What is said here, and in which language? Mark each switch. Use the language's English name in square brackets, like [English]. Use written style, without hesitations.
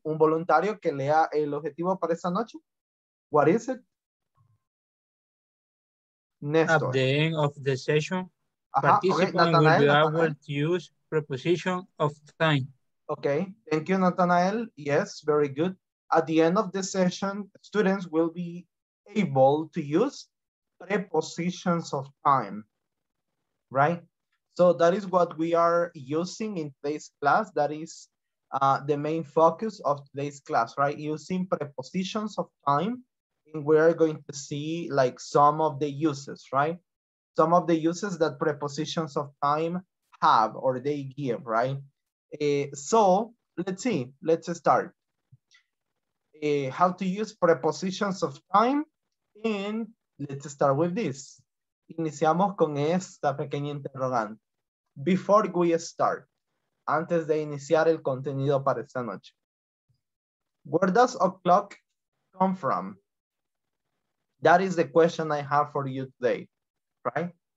[Spanish] Un voluntario que lea el objetivo para esta noche? [English] What is it? Nestor. At the end of the session, participants will be able to use preposition of time. Okay, thank you, Nathanael. Yes, very good. At the end of the session, students will be able to use prepositions of time, right? So that is what we are using in today's class. That is the main focus of today's class, right? Using prepositions of time. And we are going to see like some of the uses, right? Some of the uses that prepositions of time have or they give, right? So let's see, let's start. How to use prepositions of time. And let's start with this. [Spanish] Iniciamos con esta pequeña interrogante. [English] Before we start, [Spanish] antes de iniciar el contenido para esta noche. [English] Where does o'clock come from? That is the question I have for you today, right?